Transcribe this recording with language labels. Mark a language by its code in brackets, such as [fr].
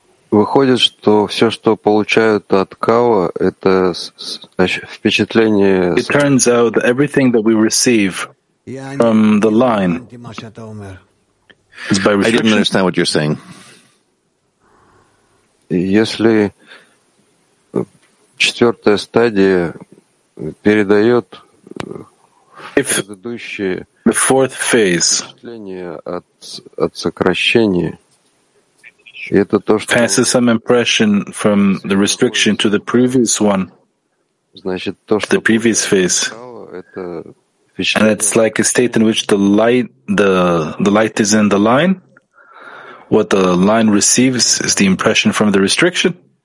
[ru] Выходит, что все, что получают от Као, это впечатление. [en] It turns out that everything that we receive from the line is by reflection. I didn't understand what you're saying. [ru] Если четвертая стадия передает предыдущие впечатления от сокращения. [en] Passes some impression from the restriction to the previous one, the previous phase. And it's like a state in which the light is in the line. What the line receives is the impression from the restriction.